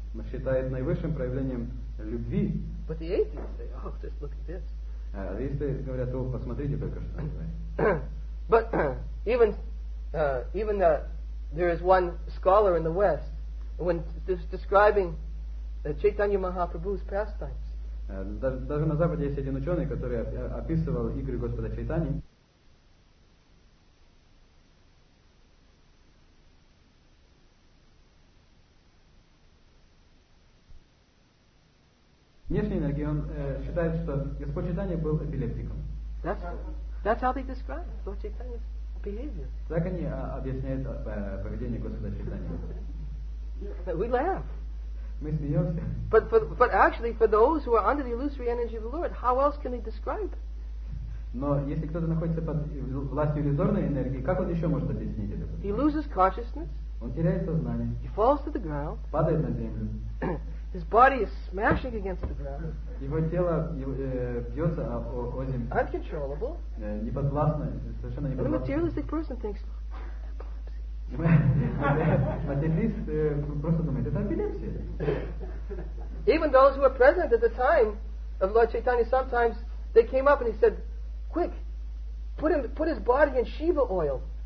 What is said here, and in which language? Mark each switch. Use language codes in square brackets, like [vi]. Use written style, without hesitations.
[ru] считает наивысшим проявлением любви. [en] But the atheists say, oh, just look at this. [ru] Атеисты говорят, о, посмотрите только что. [en] But even there is one scholar in the West when describing Chaitanya Mahaprabhu's pastimes. [ru] Даже на Западе есть один ученый, который описывал игры Господа Чайтани. Внешней энергии он считает, что Господь Чайтани был эпилептиком. [en] That's how they describe Lord Chaitanya's behavior. [ru] Так они объясняют поведение Господа Чайтани. [en] We laugh. [ru] Мы смеемся. [en] But actually, for those who are under the illusory energy of the Lord, how else can they describe? [ru] Но если кто-то находится под властью иллюзорной энергии, как он еще может объяснить это? [en] He loses consciousness. [ru] Он теряет сознание. [en] He falls to the ground. [ru] Падает на землю. [en] His body is smashing against the ground. [ru] Его тело бьется о землю. [en] Uncontrollable. [ru] Неподвластное, совершенно неподвластное. [en] And the materialistic person thinks. [ru] Материалист просто думает, это эпилепсия. [en] Even those who were present at the time of Lord Chaitanya, sometimes they came up and he said, quick, put his body in Shiva oil.